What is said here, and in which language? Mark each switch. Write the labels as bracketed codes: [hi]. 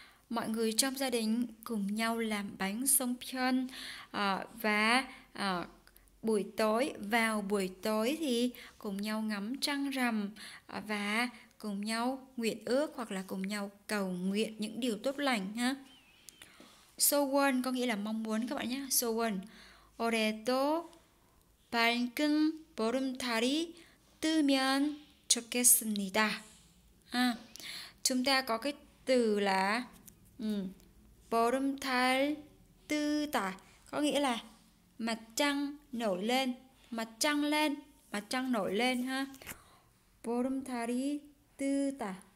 [vi] Mọi người trong gia đình cùng nhau làm bánh 송편 và buổi tối, vào buổi tối thì cùng nhau ngắm trăng rằm và cùng nhau nguyện ước hoặc là cùng nhau cầu nguyện những điều tốt lành ha. So won có nghĩa là mong muốn các bạn nhé. So won. [ko] 올해도 밝은 보름달이 뜨면 좋겠습니다. [vi] Chúng ta có cái từ là [ko] 보름달 뜨다 [vi] có nghĩa là mặt trăng nổi lên, mặt trăng lên, mặt trăng nổi lên ha. [ko] 보름달이 뜨다.